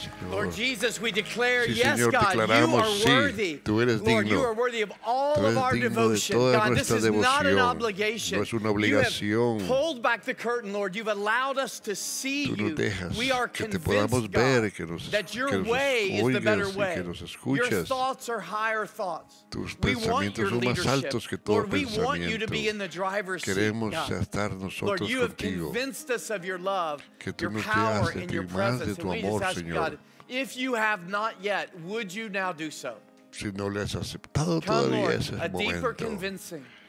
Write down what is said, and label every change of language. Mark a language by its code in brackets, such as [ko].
[en] Lord Jesus, we declare, yes, God, you are worthy. Lord, you are worthy of all of our devotion. God, this is not an obligation. [es] No es una obligación. [en] You have pulled back the curtain, Lord. You've allowed us to see you. [es] Tú nos dejas, [en] we are convinced, God, that your way is the better way. Your thoughts are higher thoughts. [es] Tus pensamientos son más altos que todo pensamiento. [en] Lord, we want you to be in the driver's seat. [es] Queremos estar nosotros contigo. [en] Lord, you have convinced us of your love, your power, and your presence. Ask, Señor, God, if you have not yet, would you now do so? [es] Si no le has aceptado todavía, [en] come, Lord, [es] ese es el momento. [en] A deeper convincing,